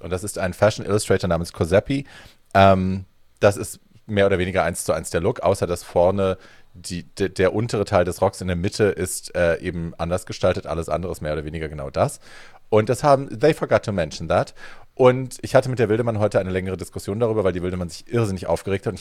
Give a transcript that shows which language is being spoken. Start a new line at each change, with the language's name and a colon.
German: Und das ist ein Fashion Illustrator namens Cosepi. Das ist mehr oder weniger eins zu eins der Look, außer dass vorne der untere Teil des Rocks in der Mitte ist eben anders gestaltet. Alles andere ist mehr oder weniger genau das. Und das haben,
English: they forgot to mention that.
German: Und ich hatte mit der Wildemann heute eine längere Diskussion darüber, weil die Wildemann sich irrsinnig aufgeregt hat.